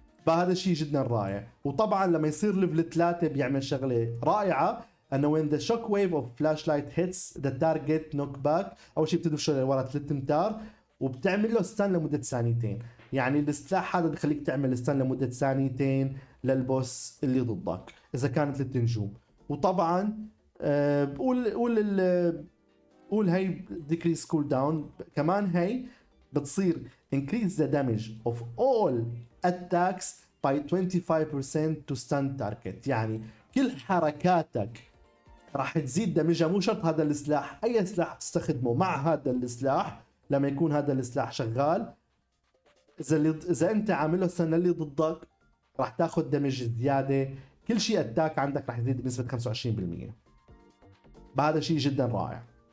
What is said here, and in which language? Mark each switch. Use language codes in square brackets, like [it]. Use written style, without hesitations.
[ar] فهذا الشيء جدا رائع. وطبعا لما يصير ليفل 3 بيعمل شغله رائعه، انه [en] when the shock wave of flashlight hits the target knockback، [ar] اول شيء بتدفش لورا 3 امتار وبتعمل له ستان لمده ثانيتين. يعني السلاح هذا بخليك تعمل ستان لمده ثانيتين للبوس اللي ضدك اذا كانت 3 نجوم. وطبعا بقول هاي [en] decrease cooldown [ar] كمان، هاي بتصير [en] increase the damage of all attacks by 25% to stun target. [ar] يعني كل حركاتك راح تزيد دمجها، مو شرط هذا السلاح، اي سلاح تستخدمه مع هذا السلاح لما يكون هذا السلاح شغال، اذا انت عامله سنة اللي ضدك راح تاخذ دمج زيادة. كل شيء اتاك عندك راح يزيد بنسبة 25%. بعد شيء جدا رائع.